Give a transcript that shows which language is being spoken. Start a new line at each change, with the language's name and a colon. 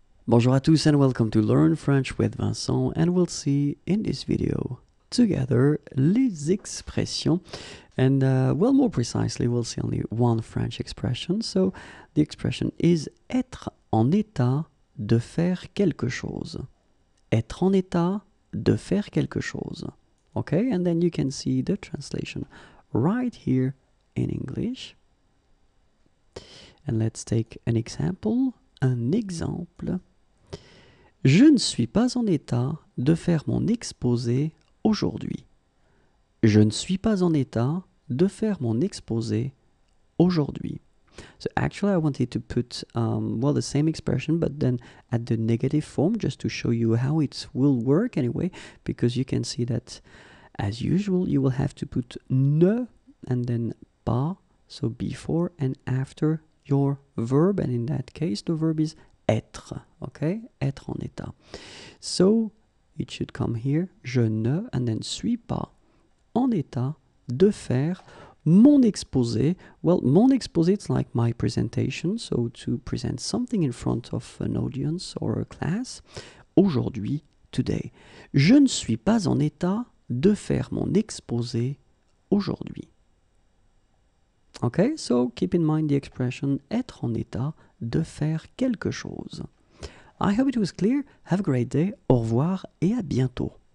French: Bonjour à tous
English: and welcome to Learn French with Vincent, and we'll see in this video together
French: les expressions,
English: and well, more precisely, we'll see only one French expression. So the expression is
French: être en état de faire quelque chose. Être en état de faire quelque chose.
English: Okay, and then you can see the translation right here in English. And let's take an example.
French: Un exemple. Je ne suis pas en état de faire mon exposé aujourd'hui. Je ne suis pas en état de faire mon exposé aujourd'hui.
English: So actually, I wanted to put, well, the same expression, but then at the negative form, just to show you how it will work anyway, because you can see that, as usual, you will have to put ne and then pas, so before and after your verb, and in that case, the verb is être, okay?
French: Être en état.
English: So, it should come here,
French: je ne,
English: and then
French: suis pas en état de faire mon exposé.
English: Well,
French: mon exposé,
English: it's like my presentation, so to present something in front of an audience or a class, aujourd'hui, today.
French: Je ne suis pas en état de faire mon exposé aujourd'hui.
English: Okay, so keep in mind the expression
French: être en état de faire quelque chose.
English: I hope it was clear. Have a great day.
French: Au revoir et à bientôt.